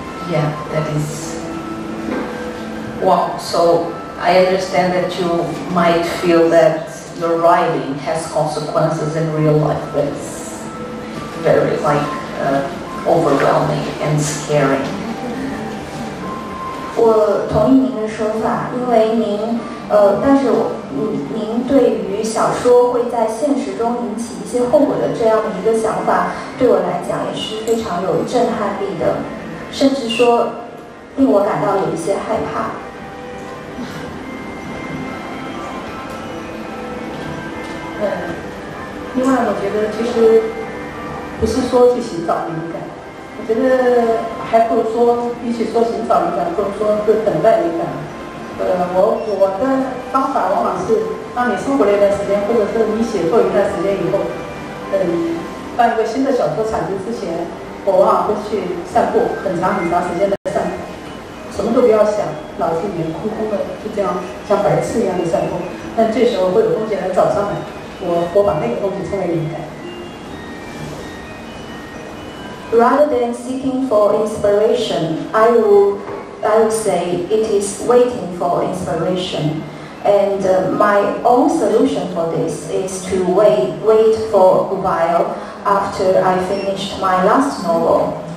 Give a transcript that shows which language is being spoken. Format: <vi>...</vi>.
<en>Yeah, that is... Wow, so I understand that you might feel that your writing has consequences in real life that's very, overwhelming and scary.</en> <zh>我同意您的说法，因为您，但是您对于小说会在现实中引起一些后果的这样一个想法，对我来讲也是非常有震撼力的，甚至说令我感到有一些害怕。另外我觉得其实不是说去寻找灵感，我觉得还不如说比起说寻找灵感，不如说是等待灵感。我的方法往往是当你生活了一段时间，或者是你写作一段时间以后，办一个新的小说产生之前，我往往会去散步，很长很长时间的散步，什么都不要想，脑子里面空空的，就这样像白痴一样的散步。但这时候会有东西来找上来，我把那个东西称为灵感。</zh> <en>Rather than seeking for inspiration, I would say it is waiting for inspiration. And my own solution for this is to wait for a while after I finished my last novel.</en>